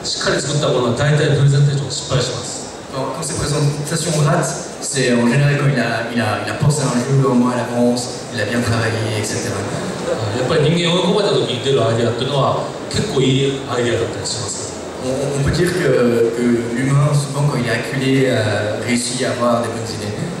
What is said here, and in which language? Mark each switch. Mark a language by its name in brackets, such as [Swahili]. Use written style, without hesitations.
[French] Quand ces présentations ratent, c'est en général quand il a pensé un jeu au moins à l'avance, il a bien travaillé, etc. [Japanese] やっぱり人間を追い込まれた時に出るアイデアっていうのは結構いいアイデアだったりします。 [French] On peut dire que l'humain souvent quand il est acculé réussit à avoir des bonnes idées.